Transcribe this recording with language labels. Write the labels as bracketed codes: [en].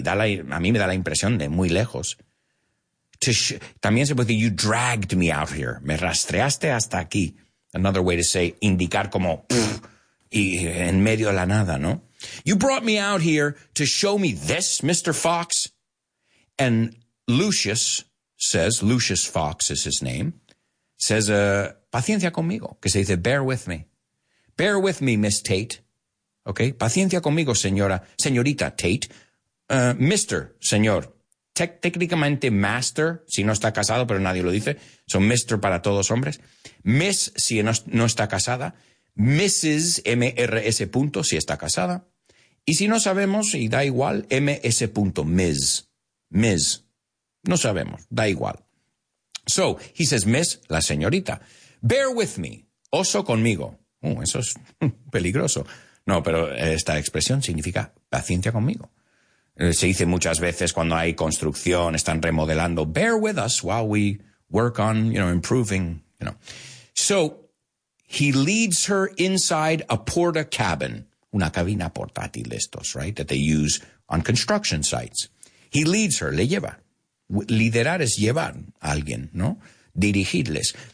[es] A mí me da la impresión de muy lejos. También se puede decir, [en] you dragged me out here. [es] Me rastreaste hasta aquí. [en] Another way to say, [es] indicar como, y en medio de la nada, ¿no? [en] You brought me out here to show me this, Mr. Fox. And Lucius says, Lucius Fox is his name, says, [es] paciencia conmigo, que se dice, [en] bear with me. Bear with me, Miss Tate. Okay, [es] paciencia conmigo, señora, señorita Tate. Mr., señor. Técnicamente, master, si no está casado, pero nadie lo dice. So, Mr. para todos hombres. Miss, si no está casada. Mrs., M-R-S punto, si está casada. Y si no sabemos, y da igual, M-S punto, Ms. Ms. No sabemos, da igual. [en] So, he says, [es] Miss, la señorita. [en] Bear with me, [es] oso conmigo. Eso es peligroso. No, pero esta expresión significa paciencia conmigo. Se dice muchas veces cuando hay construcción, están remodelando. [en] Bear with us while we work on, you know, improving, you know. So he leads her inside a porta cabin, [es] una cabina portátil estos, [en] right, that they use on construction sites. He leads her, [es] le lleva. Liderar es llevar a alguien, ¿no? Dirigirles.